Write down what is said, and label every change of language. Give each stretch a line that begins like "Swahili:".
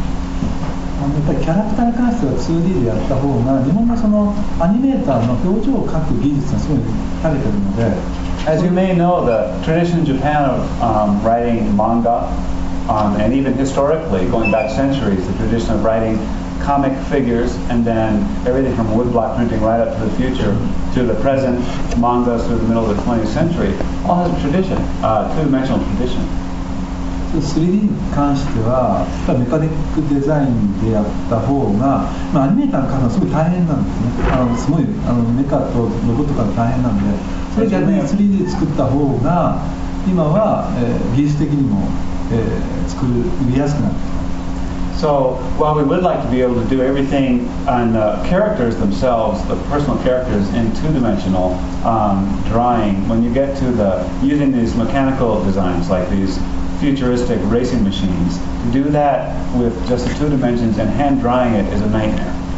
Japanese: やっぱりキャラクターに関しては 2D でやった方が日本のそのアニメーターの表情を描く技術がすごい長けてるので
English: As you may know, the tradition in Japan of writing manga and even historically, going back centuries, the tradition of writing comic figures and then everything from woodblock printing right up to the future to the present manga through the middle of the 20th century all has a tradition, a two-dimensional tradition
Japanese: 3D に関してはやっぱメカニックデザインでやった方が、まあ、アニメーターの方はすごい大変なんですねすごいメカとロボットが大変なんでそれ逆に 3D で作った方が今は、技術的にも、作りやすくなってきた
English: So while we would like to be able to do everything on the characters themselves, the personal characters in two-dimensional drawing, when you get to the using these mechanical designs like these futuristic racing machines, to do that with just the two dimensions and hand drawing it is a nightmare.